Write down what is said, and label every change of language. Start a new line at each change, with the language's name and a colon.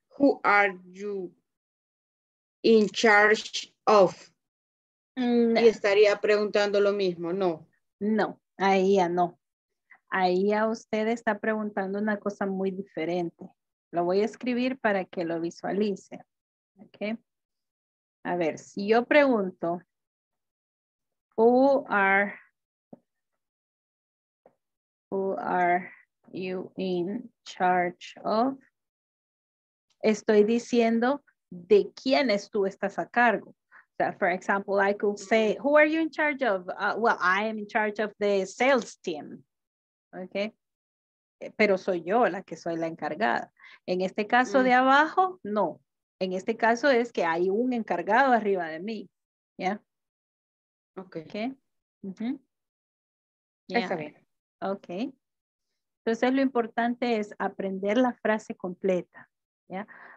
English: Who are you in charge of?
Spanish: No. Y estaría preguntando lo mismo, ¿no? No, ahí ya no. Ahí ya usted está preguntando una cosa muy diferente. Lo voy a escribir para que lo visualice. Ok. A ver, si yo pregunto,
English: who are you in charge of?
Spanish: Estoy diciendo, ¿de quiénes tú estás a cargo?
English: So, for example, I could say, who are you in charge of? Well, I am in charge of the sales team. Okay.
Spanish: Pero soy yo la que soy la encargada. En este caso de abajo, no. En este caso es que hay un encargado arriba de mí. ¿Ya? Yeah. Ok. Okay. Uh-huh. Yeah. Está bien. Ok. Entonces lo importante es aprender la frase completa. ¿Ya? Yeah.